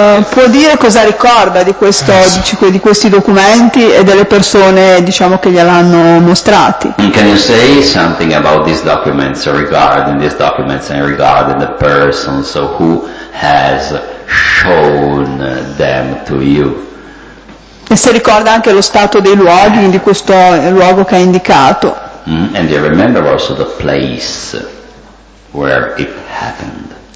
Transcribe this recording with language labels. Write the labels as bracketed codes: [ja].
[it] Può dire cosa ricorda di questo, di questi documenti e delle persone, diciamo, che gliel'hanno mostrati. [en] Can you say something about these documents regarding these documents and regarding the person so who has shown them to you? [it] E se ricorda anche lo stato dei luoghi, di questo luogo che ha indicato. [en] And you remember also the place where it happened.